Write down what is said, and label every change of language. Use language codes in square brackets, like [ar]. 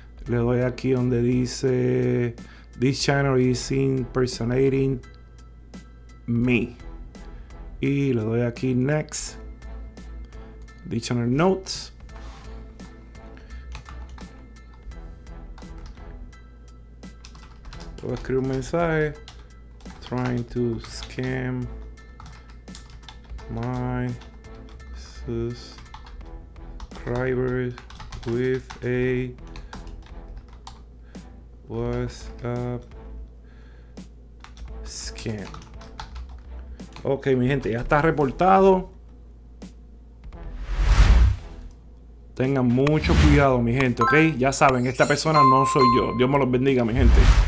[es] Le doy aquí donde dice [en] this channel is impersonating me. [es] Y le doy aquí [en] next. This channel notes. [es] Voy a escribir un mensaje. [en] Trying to scam my subscribers with a WhatsApp scam. [es] Ok, mi gente, ya está reportado. Tengan mucho cuidado, mi gente, ok. Ya saben, esta persona no soy yo. Dios me los bendiga, mi gente.